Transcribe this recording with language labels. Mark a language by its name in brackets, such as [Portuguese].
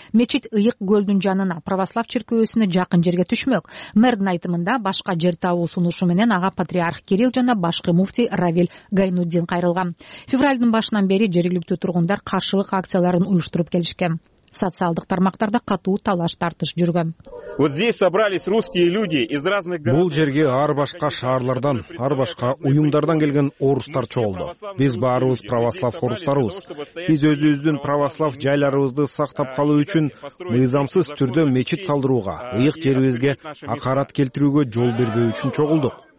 [Kyrgyz] Мечит ыйык көлдүн жанына, православ чиркөөсүнө жакын жерге түшмөк. Мэрдин айтымында башка жер табуу сунушу менен ага патриарх Кирилл жана башкы муфтий Равиль Гайнуддин кайрылган. Февралдын башынан бери жергиликтүү тургундар каршылык акцияларын уюштуруп келишкен. Социалдык тармактарда катуу талаш тартыш жүргөн. [Russian] Вот здесь собрались русские люди из разных городов. [Kyrgyz] Бул жерге ар башка шаарлардан, ар башка уюмдардан келген орустар чогулду. Биз баарыбыз православ орустарбыз. Биз өзүбүздүн православ жайларыбызды сактап калуу үчүн мыйзамсыз түрдө мечит салдырууга, ыйык жерибизге акарат келтирүүгө жол бербөө үчүн чогулдук.